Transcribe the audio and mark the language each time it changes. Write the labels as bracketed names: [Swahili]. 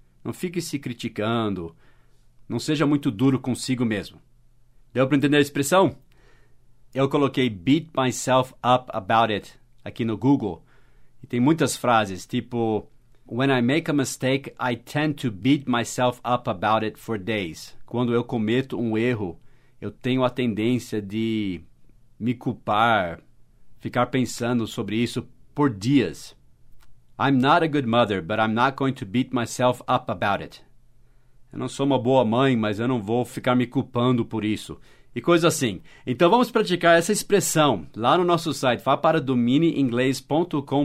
[Portuguese] Não fique se criticando. Não seja muito duro consigo mesmo. Deu para entender a expressão? Eu coloquei [English] beat myself up about it [Portuguese] aqui no Google. E tem muitas frases, tipo, [English] when I make a mistake, I tend to beat myself up about it for days. [Portuguese] Quando eu cometo um erro, eu tenho a tendência de me culpar, ficar pensando sobre isso por dias. [English] I'm not a good mother, but I'm not going to beat myself up about it. [Portuguese] Eu não sou uma boa mãe, mas eu não vou ficar me culpando por isso. E coisa assim. Então vamos praticar essa expressão lá no nosso site. Vá para domineinglês.com.br.